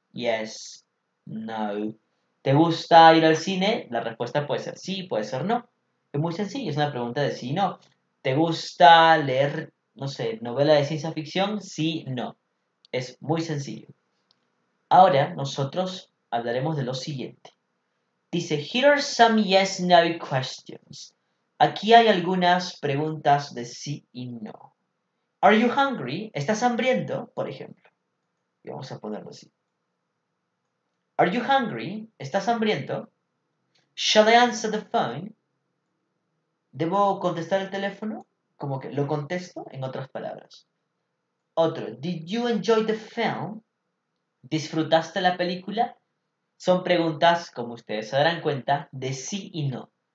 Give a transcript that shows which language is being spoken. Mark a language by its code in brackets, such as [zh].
[en] Yes, no. [es] ¿Te gusta ir al cine? La respuesta puede ser sí, puede ser no. Es muy sencillo, es una pregunta de sí y no. ¿Te gusta leer, no sé, novela de ciencia ficción? Sí, no. Es muy sencillo. Ahora nosotros hablaremos de lo siguiente. Dice, [en] here are some yes, no questions. [es] Aquí hay algunas preguntas de sí y no. [en] Are you hungry? [es] ¿Estás hambriento? Por ejemplo. Y vamos a ponerlo así. Are you hungry? ¿Estás hambriento? [en] Shall I answer the phone? [es] ¿Debo contestar el teléfono? Como que lo contesto, en otras palabras. Otro. [en] Did you enjoy the film? [es] ¿Disfrutaste la película? Son preguntas, como ustedes se darán cuenta, de sí y no.